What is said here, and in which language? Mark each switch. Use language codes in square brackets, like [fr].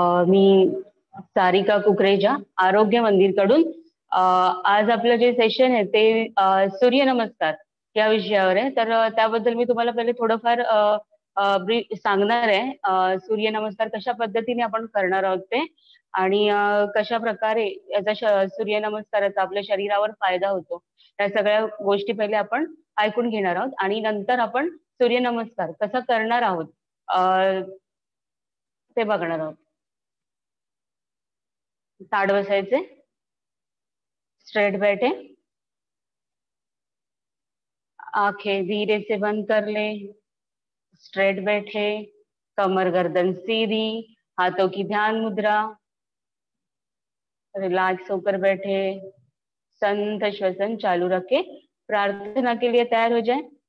[mr] मी सारिका कुकरेजा आरोग्य मंदिर कडून। आज आपलं जे सेशन आहे ते सूर्य नमस्कार या विषयावर आहे, तर त्याबद्दल मी तुम्हाला पहिले थोडंफार सांगणार आहे। सूर्य नमस्कार कशा पद्धतीने आपण करणार आहोत ते, आणि कशा प्रकारे याचा सूर्य नमस्काराचा आपल्या शरीरावर फायदा होतो, या सगळ्या गोष्टी पहिले आपण ऐकून घेणार आहोत। आणि नंतर आपण सूर्य नमस्कार कसा करणार आहोत ते बघणार आहोत। ताठ बसायचे, [hi] स्ट्रेट बैठे, आंखें धीरे से बंद कर ले, स्ट्रेट बैठे, कमर गर्दन सीधी, हाथों की ध्यान मुद्रा, रिलैक्स होकर बैठे, संत श्वसन चालू रखे, प्रार्थना के लिए तैयार हो जाए।